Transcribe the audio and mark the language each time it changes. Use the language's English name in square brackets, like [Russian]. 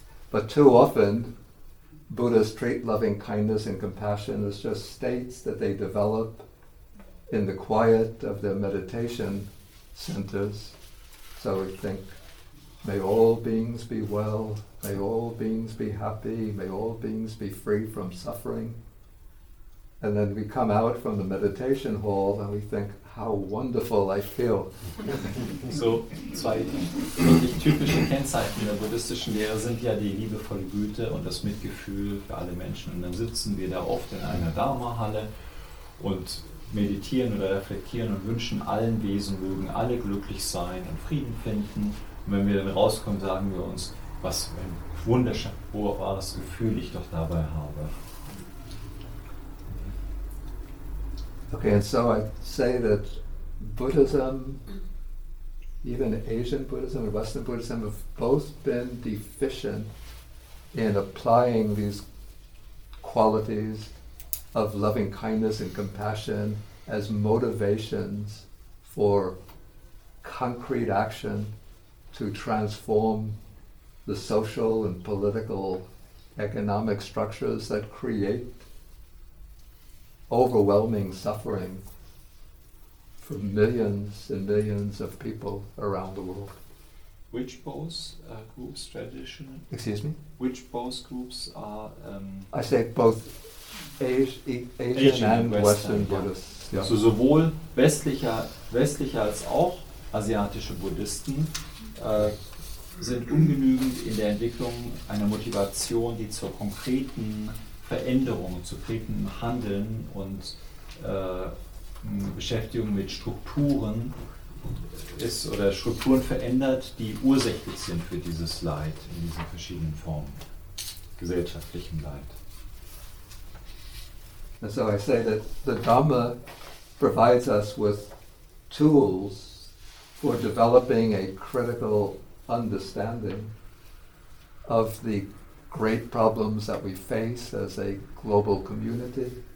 [English] But too often, Buddhists treat loving kindness and compassion as just states that they develop in the quiet of their meditation centers. So we think, may all beings be well, may all beings be happy, may all beings be free from suffering. And then we come out from the meditation hall and we think, how wonderful I feel. [German] So, zwei wirklich typische Kennzeichen der buddhistischen Lehre sind ja die liebevolle Güte und das Mitgefühl für alle Menschen. Und dann sitzen wir da oft in einer Dharma-Halle und meditieren oder reflektieren und wünschen allen Wesen, mögen alle glücklich sein und Frieden finden. Und wenn wir dann rauskommen, sagen wir uns, was für ein wunderbares Gefühl ich doch dabei habe. [English] Okay, and so I say that Buddhism, even Asian Buddhism and Western Buddhism, have both been deficient in applying these qualities of loving kindness and compassion as motivations for concrete action to transform the social and political economic structures that create overwhelming suffering for millions and millions of people around the world. Which both groups tradition? Excuse me? Which both groups are... I say both Asian and Western Buddhists. Yeah. [German] So sowohl westlicher als auch asiatische Buddhisten sind ungenügend in der Entwicklung einer Motivation, die zur konkreten Veränderungen zu kriegen, Handeln und Beschäftigung mit Strukturen ist oder Strukturen verändert, die ursächlich sind für dieses Leid in diesen verschiedenen Formen, gesellschaftlichen Leid. [English] And so I say that the Dhamma provides us with tools for developing a critical understanding of the great problems that we face as a global community.